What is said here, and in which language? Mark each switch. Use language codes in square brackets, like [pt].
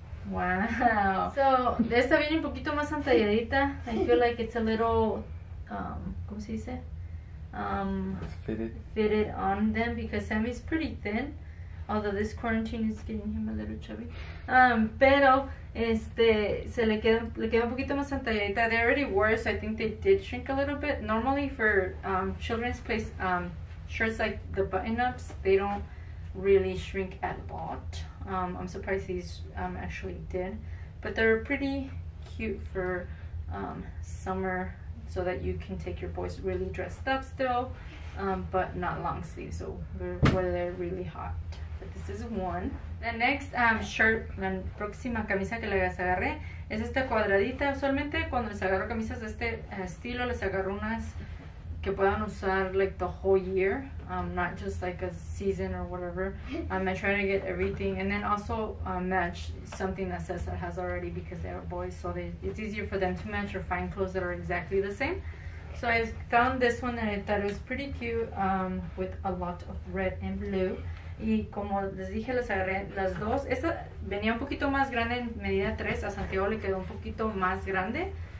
[es] Wow. So, esta viene un poquito más entalladita. [en] I feel like it's a little, [es] ¿cómo se dice? [en] Fitted on them because Sammy's pretty thin. Although this quarantine is getting him a little chubby. [es] Pero, se le queda un poquito más entalladita. [en] They already were, so I think they did shrink a little bit. Normally for children's place, shirts like the button-ups, they don't really shrink a lot. I'm surprised these actually did. But they're pretty cute for summer, so that you can take your boys really dressed up still, but not long sleeves, so where they're really hot. But this is one. The next shirt, [es] la próxima camisa que les agarré, es esta cuadradita. Usualmente cuando les agarro camisas de este estilo, les agarro unas que puedan usar [en] like the whole year, not just like a season or whatever. I try to get everything, and then also match something that says that has already, because they are boys, so it's easier for them to match or find clothes that are exactly the same. So I found this one and I thought it was pretty cute, with a lot of red and blue. [es] Y como les dije, les agarré las dos. Esta venía un poquito más grande en medida 3. A Santiago le quedó un poquito más grande.